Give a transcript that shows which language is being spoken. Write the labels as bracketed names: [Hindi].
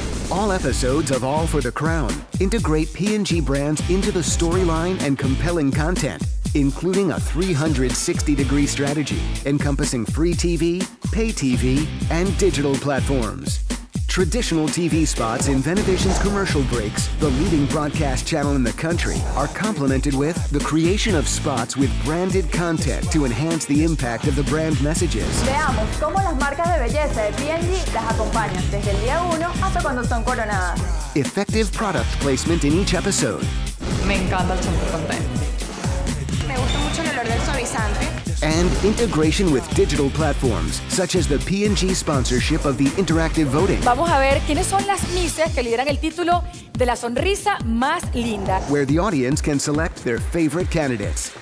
[English] All episodes of All for the Crown integrate P&G brands into the storyline and compelling content, including a 360-degree strategy encompassing free TV, pay TV, and digital platforms. Traditional TV spots in Venevision's commercial breaks, the leading broadcast channel in the country, are complemented with the creation of spots with branded content to enhance the impact of the brand messages. [Spanish] Veamos cómo las marcas de belleza de P&G las acompañan desde el día uno hasta cuando son coronadas. [English] Effective product placement in each episode. [Spanish] Me encanta el champú content. [English] And integration with digital platforms, such as the P&G sponsorship of the interactive voting. [Spanish] Vamos a ver quiénes son las mises que lideran el título de la sonrisa más linda. [English] Where the audience can select their favorite candidates.